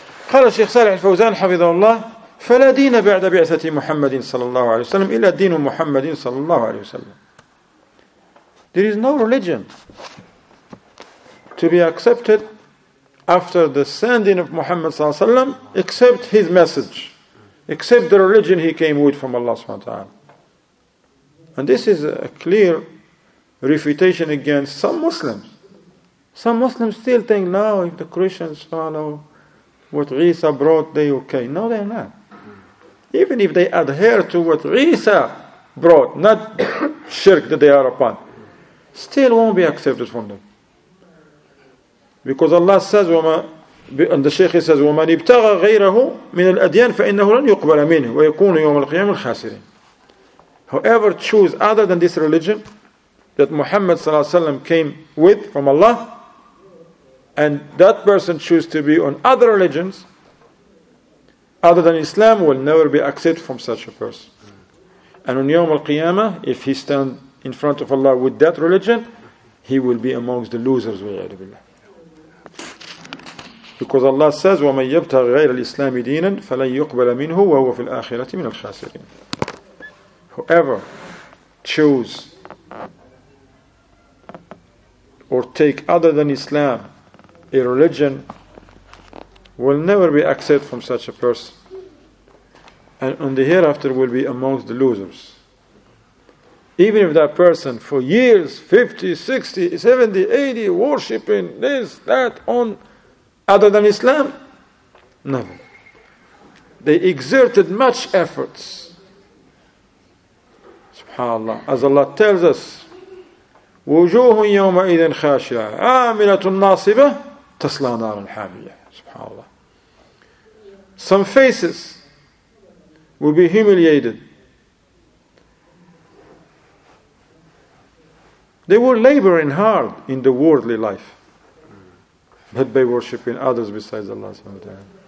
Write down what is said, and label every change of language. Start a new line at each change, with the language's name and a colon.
Arabic: قال الشيخ صالح الفوزان حفظه الله فلا دين بعد بعثة محمد صلى الله عليه وسلم إلا دين محمد صلى الله عليه وسلم.
English: There is no religion to be accepted after the sending of Muhammad sallallahu alaihi wasallam, except his message, except the religion he came with from Allah subhanahu wa ta'ala. And this is a clear refutation against some Muslims. Some Muslims still think, no, if the Christians follow what Isa brought, they okay. No, they're not. Even if they adhere to what Isa brought, not shirk that they are upon, still won't be accepted from them. Because Allah says, and the Shaykh says,
Arabic: وَمَنْ يَبْتَغَ غَيْرَهُ مِنَ الْأَدْيَانِ فَإِنَّهُ لَنْ يُقْبَلَ مِنْهُ وَيَكُونُ يَوْمَ الْقِيَامِ الْخَاسِرِينَ.
English: Whoever choose other than this religion that Muhammad صلى الله عليه وسلم came with from Allah, and that person choose to be on other religions other than Islam, will never be accepted from such a person. And on يَوْمَ الْقِيَامَةِ, if he stand in front of Allah with that religion, he will be amongst the losers. Because Allah says,
Arabic: وَمَنْ يَبْتَغْ غَيْرَ الْإِسْلَامِ دِينًا فَلَنْ يُقْبَلَ مِنْهُ وَهُوَ فِي الْآخِرَةِ مِنَ الْخَاسِرِينَ.
English: Whoever choose or take other than Islam a religion will never be accepted from such a person. And on the hereafter will be amongst the losers. Even if that person for years, 50, 60, 70, 80, worshipping this, that, on other than Islam? Never. They exerted much efforts.
Arabic: SubhanAllah.
English: As Allah tells us,
Arabic: وُجُوهٌ يَوْمَئِذٍ خَاشِعَةٌ عَامِلَةٌ نَاصِبَةٌ تَصْلَى نَارًا حَامِيَةٌ. SubhanAllah.
English: Some faces will be humiliated. They were laboring hard in the worldly life, but by worshipping others besides Allah subhanahu wa ta'ala.